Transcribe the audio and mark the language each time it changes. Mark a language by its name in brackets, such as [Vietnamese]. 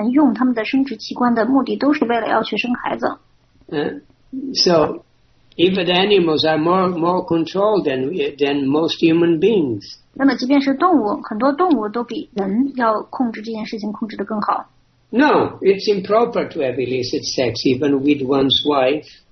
[Chinese] 那么所有的这些生命的形式，他们用他们的生殖器官的目的都是为了要去生孩子。 [English] So, even animals are more controlled than most human beings. [Chinese] 那么即便是动物，很多动物都比人要控制这件事情控制得更好。 [English] No, it's improper to have illicit sex even with one's wife.